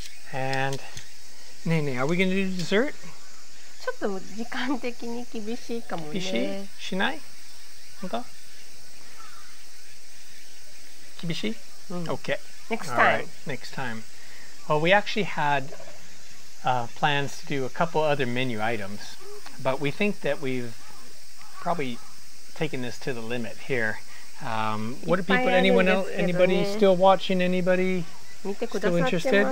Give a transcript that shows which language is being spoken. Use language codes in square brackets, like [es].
[en] And, Nene, are we going to do dessert? [ja] ちょっと時間的に厳しいかもね。厳しい?しない?本当?厳しい? [en] Okay. Next time. Well, we actually had plans to do a couple other menu items, but we think that we've probably taken this to the limit here. What are people, anyone else, anybody still watching, anybody still interested?